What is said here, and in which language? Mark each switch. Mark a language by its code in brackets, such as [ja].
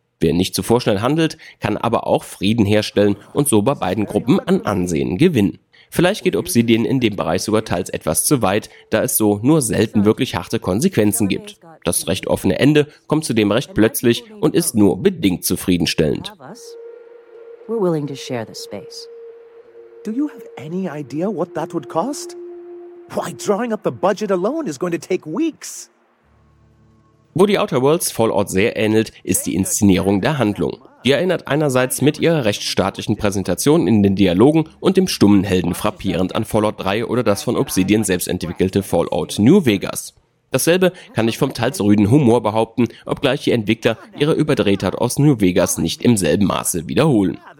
[de] Wer nicht zu vorschnell handelt, kann aber auch Frieden herstellen und so bei beiden Gruppen an Ansehen gewinnen. Vielleicht geht Obsidian in dem Bereich sogar teils etwas zu weit, da es so nur selten wirklich harte Konsequenzen gibt. Das recht offene Ende kommt zudem recht plötzlich und ist nur bedingt zufriedenstellend. [en] We're willing to share the space. Do you have any idea what that would cost? Why, drawing up the budget alone is going to take weeks. [de] Wo die Outer Worlds Fallout sehr ähnelt, ist die Inszenierung der Handlung. Die erinnert einerseits mit ihrer recht statischen Präsentation in den Dialogen und dem stummen Helden frappierend an Fallout 3 oder das von Obsidian selbst entwickelte Fallout New Vegas. Dasselbe kann ich vom teils rüden Humor behaupten, obgleich die Entwickler ihre Überdrehtheit aus New Vegas nicht im selben Maße wiederholen.